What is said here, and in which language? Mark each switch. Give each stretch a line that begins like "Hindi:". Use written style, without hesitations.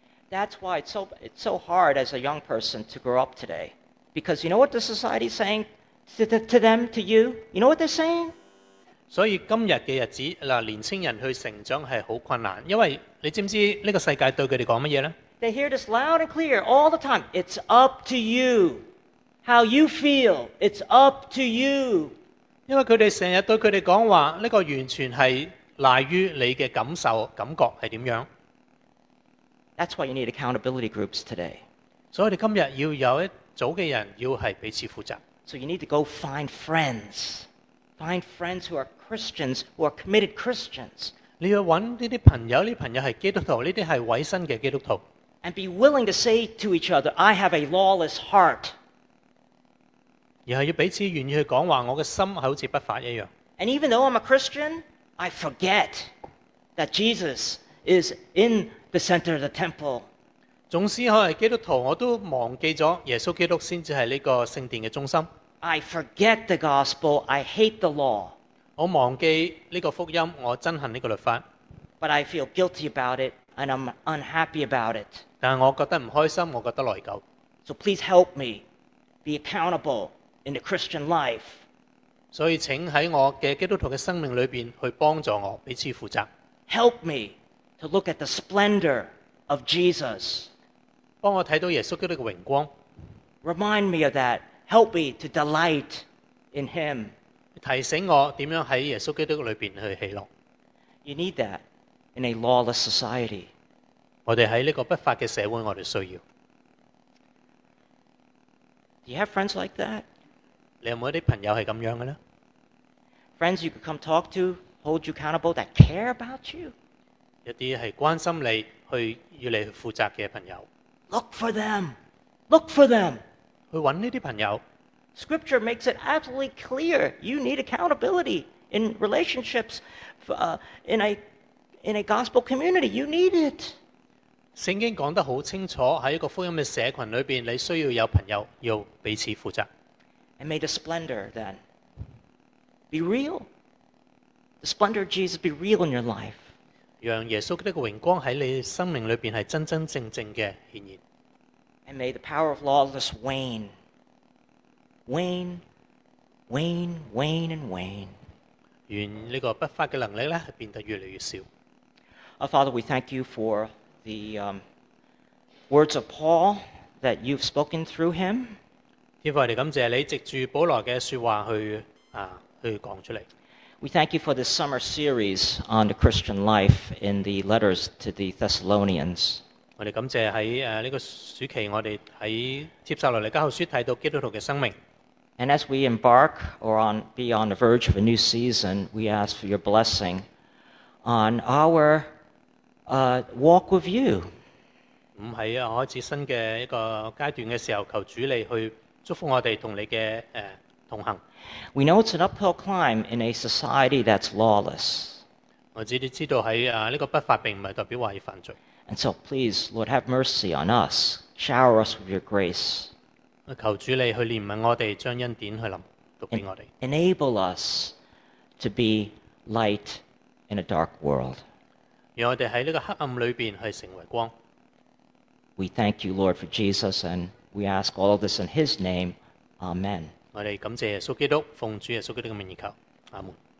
English: That's why it's so hard as a young person to grow up today. Because you know what the society is saying to them, to you? You know what they're saying?
Chinese: 所以今日嘅日子，年青人去成长是很困难，因为你知唔知呢个世界对佢哋讲乜嘢咧？
English: They hear this loud and clear all the time. It's up to you how you feel. It's up to you.
Chinese: 因为佢哋成日对佢哋讲话，呢个完全是赖于你的感受、感觉是怎样。
English: That's why you need accountability groups today.
Chinese: 所以你今日要有一组嘅人要系彼此负责。
English: So you need to go find friends. Find friends who are Christians, who are committed Christians.
Chinese: 你要找这些朋友，这些朋友是基督徒，这些是委身的基督徒。
English: And be willing to say to each other, I have a lawless heart.
Chinese: 然后要彼此愿意去讲话，我的心好像不法一样。
English: And even though I'm a Christian, I forget that Jesus is in the center of the temple.
Chinese: 纵使我是基督徒，我都忘记了耶稣基督才是这个圣殿的中心。
English: I forget the gospel. I hate the law.
Chinese: 我忘记这个福音，我憎恨这个律法。
English: But I feel guilty about it, and I'm unhappy about it.
Chinese: 但我觉得不开心，我觉得内疚。
English: So please help me be accountable in the Christian life.
Chinese: 所以请在我的基督徒的生命里面去帮助我，彼此负责。
English: Help me to look at the splendor of Jesus.
Chinese: 帮我看到耶稣基督的荣光。
English: Remind me of that. Help me to delight in Him.
Chinese: 提醒我怎样在耶稣基督里面去喜乐。
English: You need that in a lawless society.
Chinese: 我们在这个不法的社会，我们需要。
English: Do you have friends like that?
Chinese: 你有没有一些朋友是这样的呢？
English: Friends you could come talk to, hold you accountable, that care about you.
Chinese: 一些是关心你，去与你负责的朋友。
English: Look for them! Look for them!
Chinese: 去找这些朋友。
English: Scripture makes it absolutely clear you need accountability in relationships, in a gospel community. You need it.
Chinese: 圣经讲得很清楚，在一个福音的社群里面，你需要有朋友，要彼此负责。
English: And may the splendor then be real. The splendor of Jesus be real in your life.
Chinese: 让耶稣基督的荣光在你生命里面是真真正正的显现。
English: And may the power of lawlessness wane. Wane, wane, wane, and wane.
Chinese: 愿这个不法的能力呢变得越来越少。
English: Father, we thank you for the words of Paul that you've spoken through him.
Chinese: 天父，我们感谢你藉着保罗的说话去讲出来。
English: We thank you for this summer series on the Christian life in the letters to the Thessalonians.
Chinese: 我们感谢在这个暑期我们在帖撒罗尼迦后书提到基督徒的生命。
English: And as we embark or be on the verge of a new season, we ask for your blessing on our walk with you.
Chinese: 在开始新的一个阶段的时候，求主你去祝福我们和你的同行。
English: We know it's an uphill climb in a society that's lawless.
Chinese: 我知道在这个不法并不是代表说是犯罪。
English: And so please, Lord, have mercy on us. Shower us with your grace.
Chinese: 求主你去怜悯我们，将恩典去临读给我们。
English: Enable us to be light in a dark world.
Chinese: 让我们在这个黑暗里面去成为光。
English: We thank you, Lord, for Jesus, and we ask all of this in his name. Amen.
Chinese: 我们感谢耶稣基督，奉主耶稣基督的名义求。阿门。